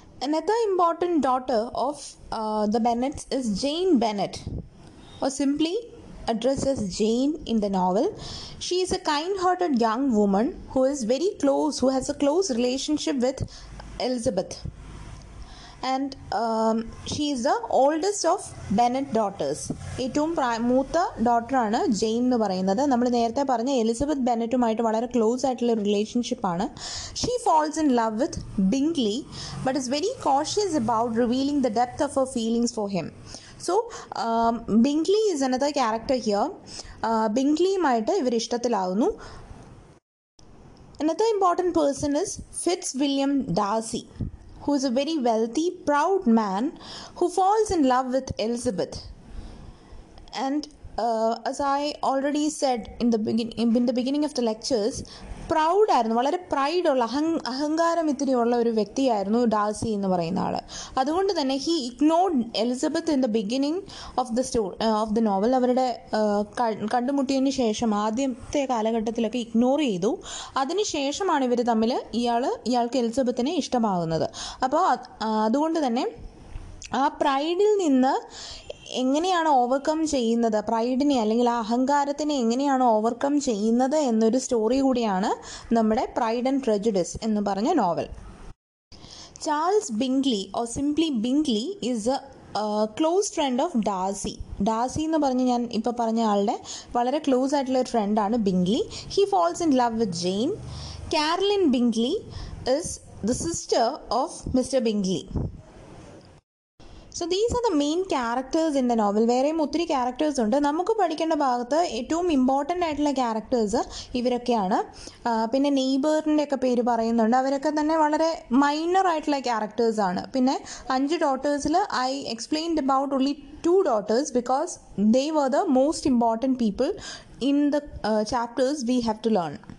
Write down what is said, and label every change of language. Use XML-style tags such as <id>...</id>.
<en>Another important daughter of the Bennets is Jane Bennet, or simply addresses Jane in the novel. She is a kind-hearted young woman who is very close, who has a close relationship with Elizabeth. And she is the oldest of Bennet daughters.</en> <ml>ഏറ്റവും മൂത്ത ഡോട്ടറാണ് ജെയിൻ എന്ന് പറയുന്നത്. നമ്മൾ നേരത്തെ പറഞ്ഞ Elizabeth ബെനറ്റുമായിട്ട് വളരെ close ആയിട്ടുള്ള റിലേഷൻഷിപ്പാണ്.</ml> <en>She falls in love with Bingley but is very cautious about revealing the depth of her feelings for him. So, Bingley is another character here.</en> <ml>Bingley mayitta ivar ishtathilavunu.</ml> <en>Another important person is Fitzwilliam Darcy, who is a very wealthy, proud man who falls in love with Elizabeth. And as I already said in the beginning of the lectures,</en> <ml>പ്രൗഡായിരുന്നു, വളരെ പ്രൈഡുള്ള അഹങ്കാരം ഇത്തിരിയുള്ള ഒരു വ്യക്തിയായിരുന്നു Darcy എന്ന് പറയുന്ന ആൾ. അതുകൊണ്ട് തന്നെ</ml> <en>He ignored Elizabeth in the beginning of the novel.</en> <ml>അവരുടെ കണ്ടുമുട്ടിയതിന് ശേഷം ആദ്യത്തെ കാലഘട്ടത്തിലൊക്കെ ഇഗ്നോർ ചെയ്തു. അതിനുശേഷമാണ് ഇവർ തമ്മിൽ ഇയാൾക്ക് എലിസബത്തിനെ ഇഷ്ടമാകുന്നത്. അപ്പോൾ അതുകൊണ്ട് തന്നെ ആ പ്രൈഡിൽ നിന്ന് എങ്ങനെയാണ് ഓവർകം ചെയ്യുന്നത്, പ്രൈഡിനെ അല്ലെങ്കിൽ ആ അഹങ്കാരത്തിനെ എങ്ങനെയാണ് ഓവർകം ചെയ്യുന്നത് എന്നൊരു സ്റ്റോറി കൂടിയാണ് നമ്മുടെ പ്രൈഡ് ആൻഡ് പ്രെജുഡിസ് എന്ന് പറഞ്ഞ novel.</ml> <en>Charles Bingley or simply Bingley is a close friend of Darcy.</en> <ml>Darcy എന്ന് പറഞ്ഞ് ഞാൻ ഇപ്പോൾ പറഞ്ഞ ആളുടെ വളരെ ക്ലോസ് ആയിട്ടുള്ള ഒരു ഫ്രണ്ടാണ് ബിങ്ക്ലി.</ml> <en>He falls in love with Jane. Caroline Bingley is the sister of mister Bingley. So these are the main characters in the novel.</en> <ml>വേറെ ഒത്തിരി ക്യാരക്ടേഴ്സ് ഉണ്ട്. നമുക്ക് പഠിക്കേണ്ട ഭാഗത്ത് ഏറ്റവും ഇമ്പോർട്ടൻ്റ് ആയിട്ടുള്ള ക്യാരക്ടേഴ്സ് ഇവരൊക്കെയാണ്. പിന്നെ നെയ്ബറിൻ്റെ ഒക്കെ പേര് പറയുന്നുണ്ട്. അവരൊക്കെ തന്നെ വളരെ മൈനർ ആയിട്ടുള്ള ക്യാരക്ടേഴ്സാണ്. പിന്നെ അഞ്ച് ഡോട്ടേഴ്സിൽ</ml> <en>I explained about only two daughters because they were the most important people in the chapters we have to learn.</en>